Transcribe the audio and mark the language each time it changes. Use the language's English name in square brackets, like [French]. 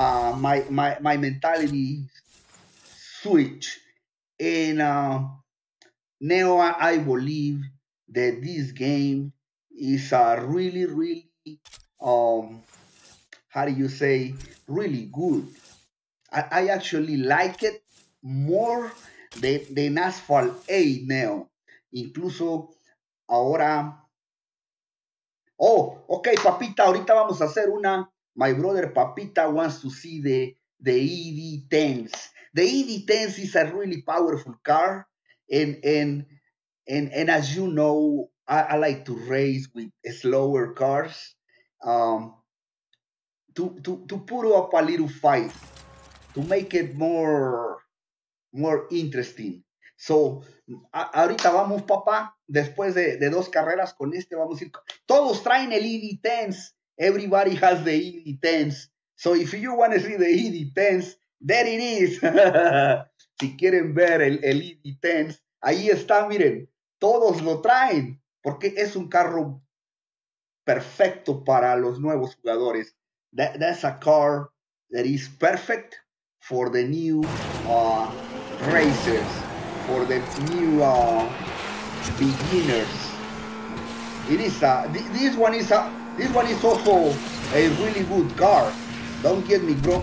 [English] My mentality switch, and now I believe that this game is a really, really how do you say, really good. I actually like it more than Asphalt 8 now. [Spanish] Incluso ahora. Oh, okay, Papita, ahorita vamos a hacer una. [English] My brother Papita wants to see the ED10s. The ED10s is a really powerful car. And as you know, I like to race with slower cars. To put up a little fight, to make it more interesting. [Spanish] So, ahorita vamos, papá, después de dos carreras con este, vamos a ir. Todos traen el ED10s. [English] Everybody has the ED10s. So, if you want to see the ED10s, there it is. [Spanish] Si quieren ver el ED10s, ahí está, miren. Todos lo traen, porque es un carro perfecto para los nuevos jugadores. [English] That's a car that is perfect for the new racers, for the new beginners. This one is also a really good car. Don't get me wrong.